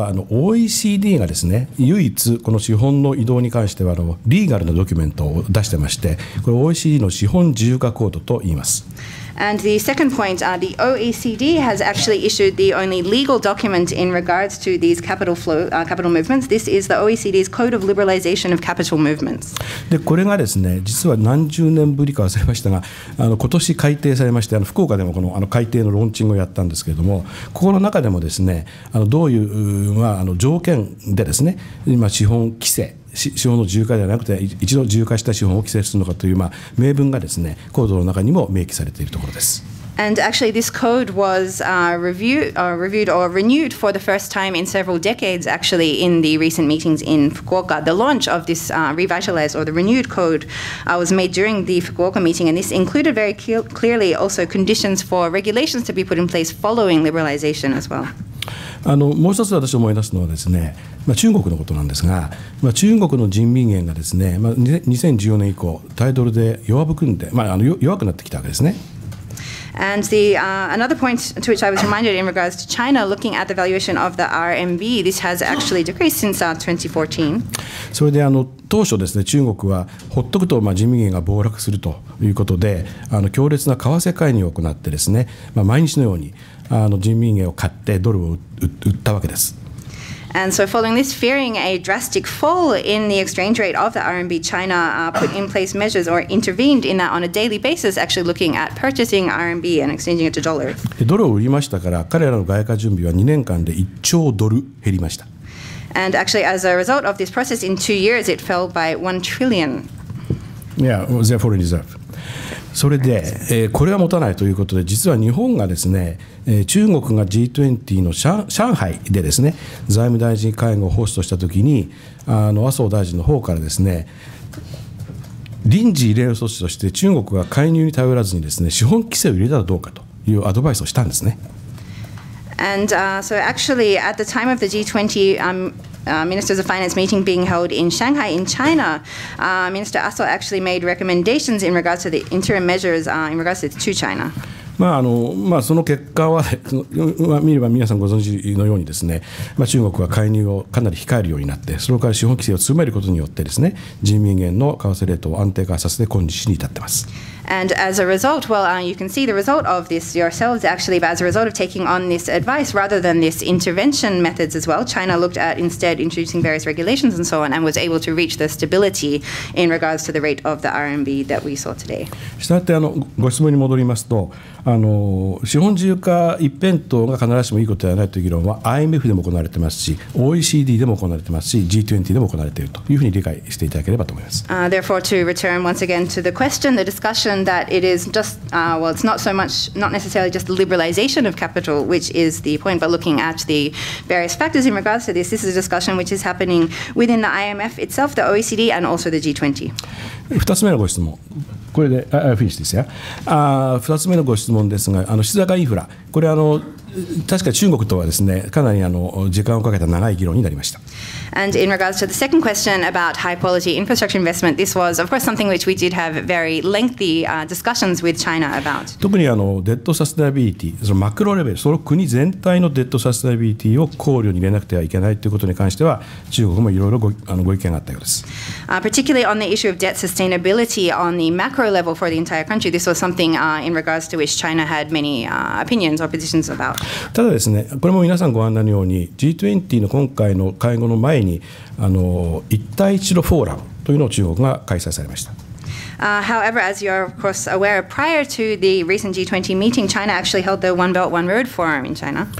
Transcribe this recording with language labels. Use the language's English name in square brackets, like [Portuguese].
[Japanese] OECD がですね、唯一この資本の移動に関してはリーガルなドキュメントを出してまして、これ OECD の資本自由化コードと言います。 [English] And the second point, the OECD has actually issued the only legal document in regards to these capital flow, capital movements. This is the OECD's Code of Liberalization of Capital Movements. [Japanese] で、これがですね、実は何十年ぶりか忘れましたが、今年改定されまして、福岡でもこの改定のローンチングをやったんですけれども、ここの中でもですね、どういう、条件でですね、今資本規制、資本の自由化ではなくて一度自由化した資本を規制するのかという、明文がですね、コードの中にも明記されているところです。 [English] And actually, this code was reviewed or renewed for the first time in several decades, actually, in the recent meetings in Fukuoka. The launch of this revitalized or the renewed code was made during the Fukuoka meeting, and this included very clearly also conditions for regulations to be put in place following liberalization as well. [Japanese] もう一つ私思い出すのはですね、中国のことなんですが、中国の人民元がですね、2014年以降、対ドルで弱含んで、弱くなってきたわけですね。 [English] And the another point to which I was reminded in regards to China, looking at the valuation of the RMB, this has actually decreased since 2014. [Japanese] それで当初ですね、中国はほっとくと人民元が暴落するということで、強烈な為替介入を行ってですね、毎日のように人民元を買ってドルを売ったわけです。 [English] And so following this, fearing a drastic fall in the exchange rate of the RMB, China put in place measures or intervened in that on a daily basis, actually looking at purchasing RMB and exchanging it to dollar. [Japanese] ドルを売りましたから、彼らの外貨準備は2年間で1兆ドル減りました。 [English] And actually, as a result of this process, in 2 years, it fell by 1 trillion. Yeah, their foreign reserve. [Japanese] それで、これは持たないということで、実は日本がですね、中国が G20 の上海でですね、財務大臣会合をホストしたときに、麻生大臣の方からですね、臨時異例の措置として中国が介入に頼らずにですね、資本規制を入れたらどうかというアドバイスをしたんですね。 [English] And so actually at the time of the G20, Ministers of Finance meeting being held in Shanghai in China, Minister Aso actually made recommendations in regards to the interim measures in regards to China. [Japanese] その結果は見れば皆さんご存知のようにですね、中国は介入をかなり控えるようになって、それから資本規制を強めることによってですね、人民元の為替レートを安定化させて今日に至ってます。 [English] And as a result, well, you can see the result of this yourselves, actually, but as a result of taking on this advice rather than this intervention methods as well, China looked at instead introducing various regulations and so on and was able to reach the stability in regards to the rate of the RMB that we saw today. [Japanese] したがって、ご質問に戻りますと、資本自由化一辺倒が必ずしもいいことではないという議論は IMF でも行われてますし、OECD でも行われてますし、G20 でも行われているというふうに理解していただければと思います。 [English] Therefore, to return once again to the question, the discussion,that it is just, well, it's not so much, not necessarily just the liberalization of capital, which is the point, but looking at the various factors in regards to this, this is a discussion which is happening within the IMF itself, the OECD, and also the G20. [Japanese] 2つ目のご質問。これで、フィニッシュですよ。2つ目のご質問ですが、資産インフラ。これ、確か中国とはですね、かなり時間をかけた長い議論になりました。 [English] And in regards to the second question about high quality infrastructure investment, this was of course something which we did have very lengthy discussions with China about. [Japanese] 特にデッドサステナビリティ、そのマクロレベル、その国全体のデッドサステナビリティを考慮に入れなくてはいけないということに関しては、中国もいろいろご意見があったようです。 [English] Particularly on the issue of debt sustainability on the macro level for the entire country, this was something in regards to which China had many opinions or positions about. [Japanese] ただですね、これも皆さんご案内のように、G20 の今回の会合の前に一帯一路フォーラムというのを中国が開催されました。 [English] However, as you are of course aware, prior to the recent G20 meeting, China actually held the One Belt, One Road Forum in China.